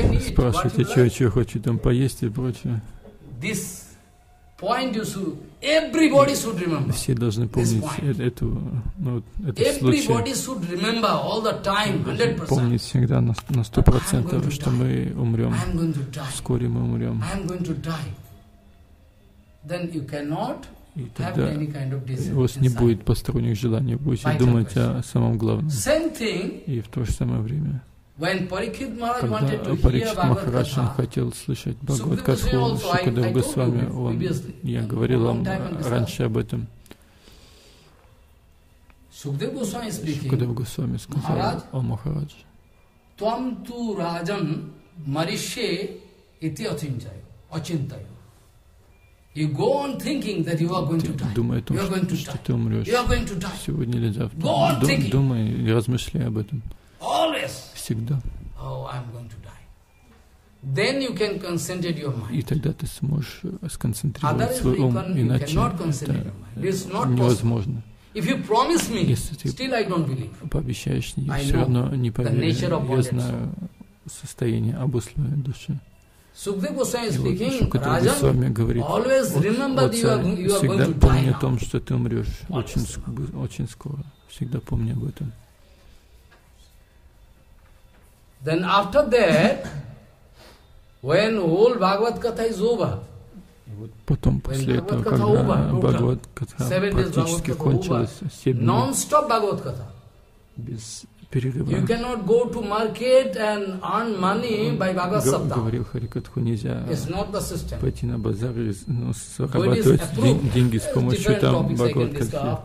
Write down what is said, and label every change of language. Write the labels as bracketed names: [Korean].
[Russian] Спрашивайте, что я хочу там поесть и прочее. [English] Everybody should remember. [Russian] Все должны помнить эту, ну, этот случай. [English] Everybody should remember all the time, 100%. [Russian] Помнить всегда на 100%, что мы умрем. Вскоре мы умрем. [English] I am going to die. Then you cannot have any kind of desire. [Russian] У вас не будет посторонних желаний, будете думать о самом главном. [English] Same thing. [Russian] И в то же самое время. [English] When Parikshit Maharaj [Russian] когда [English] wanted to Parikshit hear Bhagavad Gita, [Russian] хотел слышать Бхагавад Катху, Сукадев Госвами, я говорил вам раньше об этом. Сукадев Госвами сказал, о Махарадж, [Sanskrit] «Твам ту раджан мариши ити очинтайо, очинтайо». [English] You go on thinking that you are going to die. [Russian] Думай о том, [English] you are going to [Russian] что [English] die. [Russian] Ты умрешь. [English] You are going to die. [Russian] Сегодня или завтра. [English] Go on thinking. [Russian] Думай и размышляй об этом. [English] Always. [Russian] Всегда. [English] Oh, I'm going to die. Then you can concentrate your mind. [Russian] И тогда ты сможешь сконцентрировать свой ум, иначе это невозможно. [English] If you promise me, still I don't believe. [Russian] Если ты пообещаешь, не все равно не поверю. Я знаю состояние обусловленной души. Сукадев Госвами говорит, всегда помни о том, что ты умрешь очень скоро. Всегда помни об этом. [English] Then after that, when whole Bhagavad Gita is over, [Russian] потом после этого, когда Бхагавад Гита практически кончилась, 7 дней, [English] non-stop Bhagavad Gita, [Russian] без перерыва. [English] You cannot go to market and earn money by Bhagavad Sapta. [Russian] Говорил Харикатху, нельзя. [English] It's not the system. [Russian] Пойти на базар и зарабатывать деньги с помощью там Бхагавад Гита.